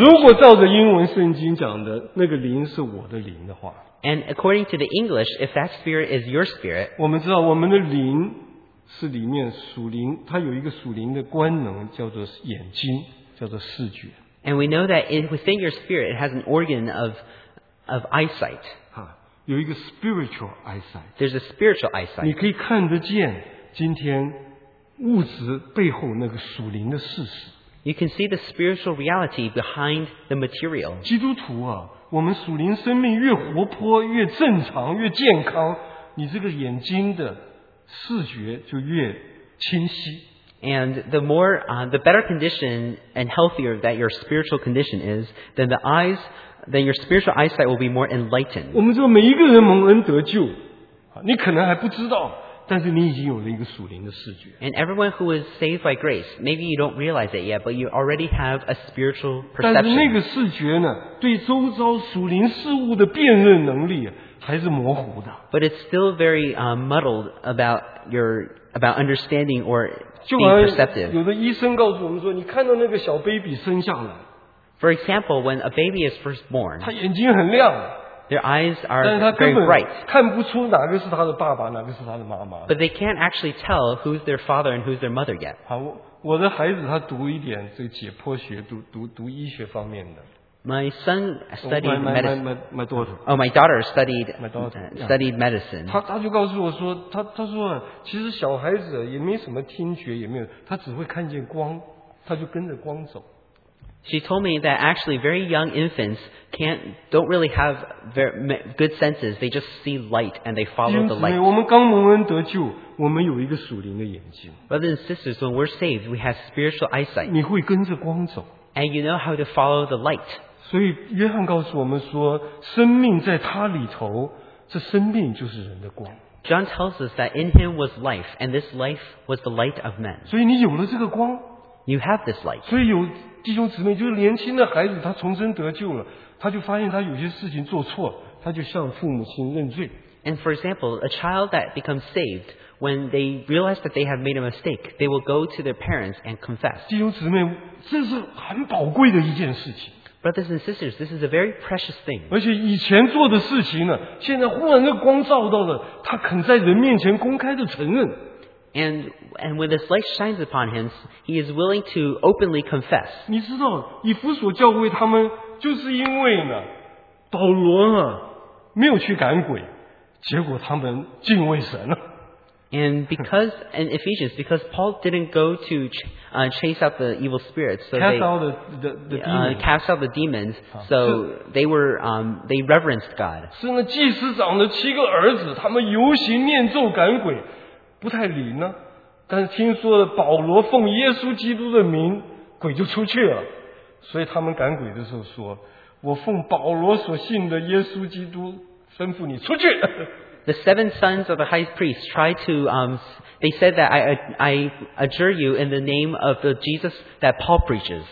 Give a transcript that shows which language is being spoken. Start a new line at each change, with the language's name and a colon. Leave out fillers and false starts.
Chinese: 如果照着英文圣经讲的那个灵是我的灵的话
English: And according to the English, if that spirit is your spirit,
Chinese: 我们知道我们的灵是里面属灵它有一个属灵的官能叫做眼睛叫做视觉
English: And we know that within your spirit, it has an organ of eyesight.
Chinese: 有一个
English: spiritual eyesight. There's a spiritual eyesight.
Chinese: 你可以看得见今天物质背后那个属灵的事实。
English: You can see the spiritual reality behind the material.
Chinese: 基督徒啊，我们属灵生命越活泼、越正常、越健康，你这个眼睛的视觉就越清晰。
English: And the better condition and healthier that your spiritual condition is, then your spiritual eyesight will be more enlightened.
Chinese: 我们说每一个人蒙恩得救，你可能还不知道。但是你已经有了一个属灵的视觉。
English: And everyone who is saved by grace, maybe you don't realize it yet, but you already have a spiritual perception.
Chinese: 但是那个视觉呢，对周遭属灵事物的辨认能力还是模糊的。
English: But it's still very muddled about understanding or being perceptive.
Chinese: 有的医生告诉我们说，你看到那个小 baby 生下来。
English: For example, when a baby is first born,
Chinese: 他眼睛很亮。
English: Their eyes are very bright.
Chinese: 看不出哪个是他的爸爸，哪个是他的妈妈。
English: But they can't actually tell who's their father and who's their mother yet.
Chinese: 好，我的孩子他读一点这解剖学，读医学方面的。
English: My son studied medicine. My daughter. Oh, my daughter studied. My daughter studied medicine.
Chinese: 他就告诉我说，他说其实小孩子也没什么听觉，也没有，他只会看见光，他就跟着光走。
English: She told me that actually very young infants don't really have very good senses. They just see light and they follow the light.
Chinese: 我们刚蒙恩得救，我们有一个属灵的眼睛。
English: Brothers and sisters, when we're saved, we have spiritual eyesight.
Chinese: 你会跟着光走。
English: And you know how to follow the light.
Chinese: 所以约翰告诉我们说，生命在他里头，这生命就是人的光。
English: John tells us that in him was life, and this life was the light of men.
Chinese: 所以你有了这个光。
English: You have this light.
Chinese: 所以有弟兄姊妹，就是年轻的孩子，他重生得救了，他就发现他有些事情做错，他就向父母亲认罪。
English: And for example, a child that becomes saved, when they realize that they have made a mistake, they will go to their parents and confess.
Chinese: 弟兄姊妹，这是很宝贵的一件事情。
English: Brothers and sisters, this is a very precious thing.
Chinese: 而且以前做的事情呢，现在忽然的光照到了，他肯在人面前公开的承认。
English: And when this light shines upon him, he is willing to openly confess.
Chinese: 你知道，以弗所教会他们就是因为呢，保罗啊没有去赶鬼，结果他们敬畏神了。
English: And because in Ephesians, because Paul didn't go to chase out the evil spirits, so cast out the demons, so they reverenced God.
Chinese: 是那祭司长的七个儿子，他们游行念咒赶鬼，不太灵呢。但是听说保罗奉耶稣基督的名，鬼就出去了。所以他们赶鬼的时候说：“我奉保罗所信的耶稣基督吩咐你出去。”
English: The seven sons of the high priest tried to, they said that I adjure you in the name of the Jesus that Paul preaches.